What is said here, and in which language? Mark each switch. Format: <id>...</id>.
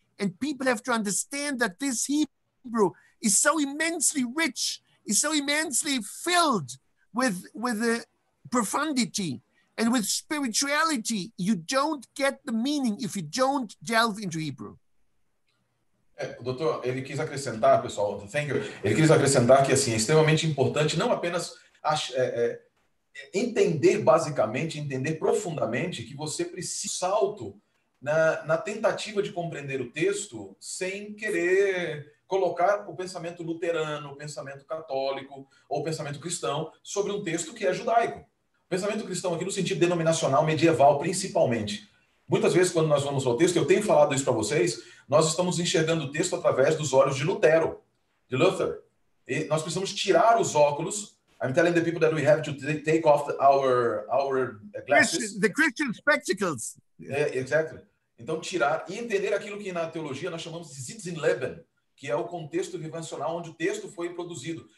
<en>And people have to understand that this Hebrew is so immensely rich, is so immensely filled with a profundity and with spirituality. You don't get the meaning if you don't delve into Hebrew.</en> <pt>Doutor, ele quis acrescentar, pessoal,</pt> <en>thank you.</en> <pt>Ele quis acrescentar que assim, é extremamente importante não apenas entender basicamente, entender profundamente, que você precisa salto na tentativa de compreender o texto sem querer colocar o pensamento luterano, o pensamento católico ou o pensamento cristão sobre um texto que é judaico. O pensamento cristão aqui no sentido denominacional medieval, principalmente. Muitas vezes, quando nós vamos ao texto, eu tenho falado isso para vocês, nós estamos enxergando o texto através dos olhos de Lutero, de Luther. E nós precisamos tirar os óculos.</pt> <en>I'm telling the people that we have to take off our glasses. The Christian spectacles.</en> <pt>É,</pt> <en>exactly.</en> <pt>Então, tirar e entender aquilo que na teologia nós chamamos de Sitz im Leben, que é o contexto vivencial onde o texto foi produzido.</pt>